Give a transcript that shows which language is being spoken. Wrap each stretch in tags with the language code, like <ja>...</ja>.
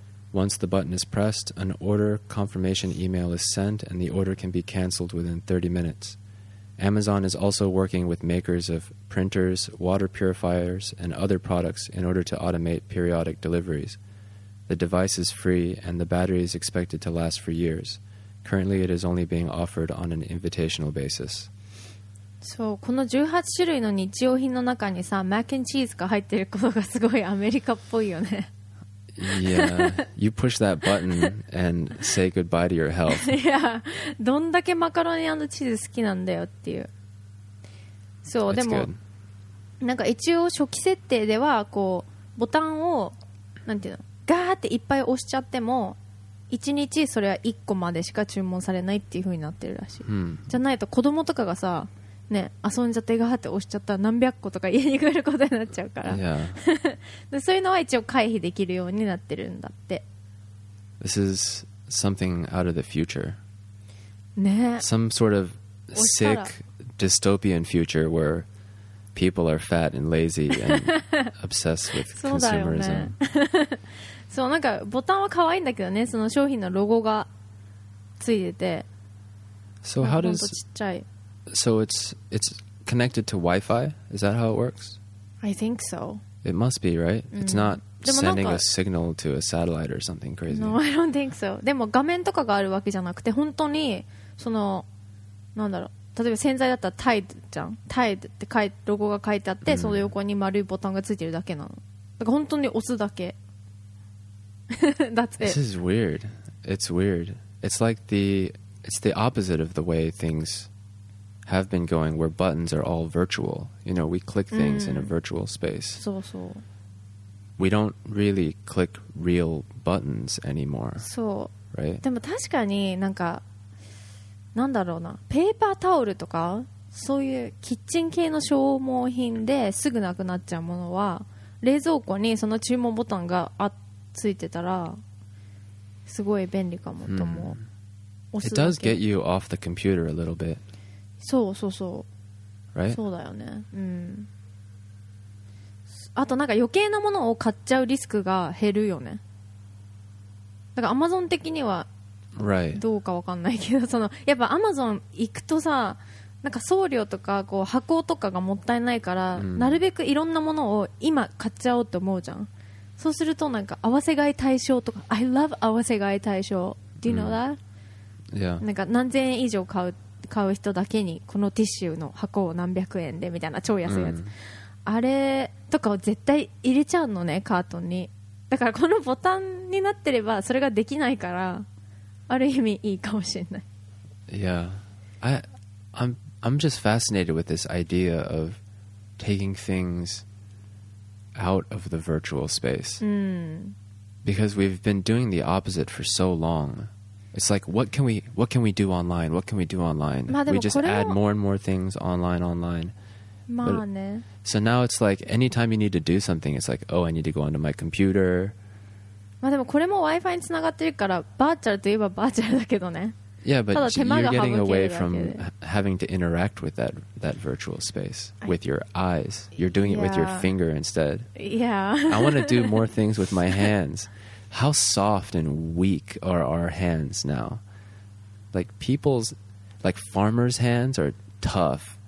<en>Once the button is pressed, an order confirmation email is sent and the order can be canceled within 30 minutes. Amazon is also working with makers of printers, water purifiers, and other products in order to automate periodic deliveries. The device is free, and the battery is expected to last for years. Currently, it is only being offered on an invitational basis.</en> <ja>そう、この18種類の日用品の中にさ、マッキンチーズが入ってることがすごいアメリカっぽいよね。</ja> <en>Yeah, you push that button and say goodbye to your health.</en> <ja>Yeah, どんだけマカロニ&チーズ好きなんだよっていう。そう、でもなんか一応初期設定ではこうボタンをなんていうの、ガーっていっぱい押しちゃっても1日それは1個までしか注文されないっていう風になってるらしい。じゃないと子供とかがさ、ね、遊んじゃってガーって押しちゃったら何百個とか家に来ることになっちゃうから、</ja> <en>yeah.</en> <ja>そういうのは一応回避できるようになってるんだって。</ja> <en>This is something out of the future.</en> <ja>ね、</ja> <en>Some sort of sick dystopian future where people are fat and lazy and obsessed with consumerism.</en> <ja>そうだよね。そう、なんかボタンは可愛いんだけどね、その商品のロゴがついてて。</ja> <en>So how does</en> <ja>ちっちゃい、</ja> <en>So it's connected to Wi-Fi? Is that how it works? I think so. It must be, right? It's not sending a signal to a satellite or something crazy. No, I don't think so.</en> <ja>でも画面とかがあるわけじゃなくて、本当にそのなんだろう、例えば洗剤だったら Tide じゃん。 Tide って書いロゴが書いてあって、その横に丸いボタンがついてるだけなの。だから本当に押すだけ。</ja> <en>That's it. This is weird. It's weird. It's like the it's the opposite of the way thingshave been going, where buttons are all virtual. You know, we click things in a virtual space.</en> <ja>そうそう。</ja> <en>We don't really click real buttons anymore.</en> <ja>そう。</ja> <en>Right?</en> <ja>でも確かになんか、なんだろうな、ペーパータオルとか、そういうキッチン系の消耗品ですぐなくなっちゃうものは冷蔵庫にその注文ボタンがついてたらすごい便利かもと思う。</ja> <en>It does get you off the computer a little bit.</en> <ja>そうそうそう。</ja> <en>Right?</en> <ja>そうだよね。うん。あとなんか余計なものを買っちゃうリスクが減るよね。だからアマゾン的にはどうか分かんないけど、</ja> <en>right.</en> <ja>そのやっぱアマゾン行くとさ、なんか送料とかこう箱とかがもったいないから、なるべくいろんなものを今買っちゃおうと思うじゃん。そうするとなんか合わせ買い対象とか、</ja> <en>I love</en> <ja>合わせ買い対象。</ja> <en>Do you know that?、Mm. Yeah.</en> <ja>なんか何千円以上買う人だけにこのティッシュの箱を何百円でみたいな超安いやつ、mm. あれとかを絶対入れちゃうのね、カートに。だからこのボタンになってればそれができないから、ある意味いいかもしれない。</ja> <en>Yeah, I'm just fascinated with this idea of taking things out of the virtual space、 mm. because we've been doing the opposite for so longIt's like, what can we do online? What can we do online? We just add more and more things online.</en> <ja>まあね。</ja> <en>So now it's like, anytime you need to do something, it's like, oh, I need to go onto my computer.</en> <ja>まあでもこれも Wi-Fi につながってるから、バーチャルといえばバーチャルだけどね。</ja> <en>Yeah, but you're getting away from having to interact with that virtual space with your eyes. You're doing it with your finger instead. Yeah. I want to do more things with my hands. How soft and weak are our hands now? Like people's, like farmers' hands are tough.</en>